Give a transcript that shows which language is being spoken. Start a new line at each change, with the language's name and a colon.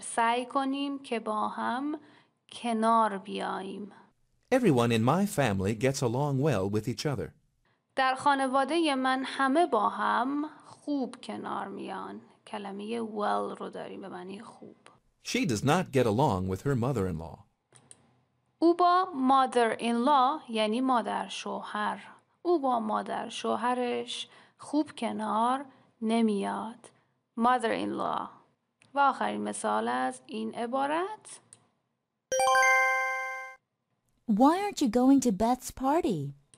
Persian: سعی کنیم که با هم کنار بیاییم.
English: Everyone in my family gets along well with each other.
Persian: در خانواده من همه با هم خوب کنار میان. کلمه well رو داریم به معنی خوب.
English: She does not get along with her mother-in-law.
Persian: او با mother-in-law یعنی مادر شوهر. او با مادر شوهرش خوب کنار نمیاد.
English: Mother-in-law.
Persian: و آخرین مثال از این عبارت.
English: Why aren't you going to Beth's party?